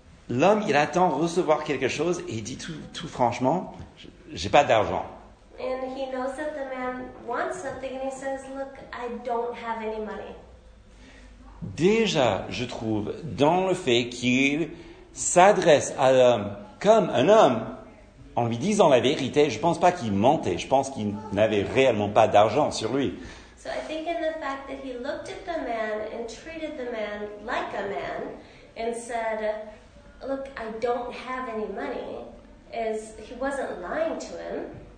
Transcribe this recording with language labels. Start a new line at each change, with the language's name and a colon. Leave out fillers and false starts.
French: L'homme, il attend recevoir quelque chose et il dit tout franchement, j'ai pas d'argent.
English: And he knows that the man wants something and he says, look, I don't have any money.
French: Déjà, je trouve, dans le fait qu'il s'adresse à l'homme comme un homme, en lui disant la vérité, je pense pas qu'il mentait, je pense qu'il n'avait réellement pas d'argent sur lui.
English: So I think in the fact that he looked at the man and treated the man like a man and said, look, I don't have any money, is he wasn't lying to him.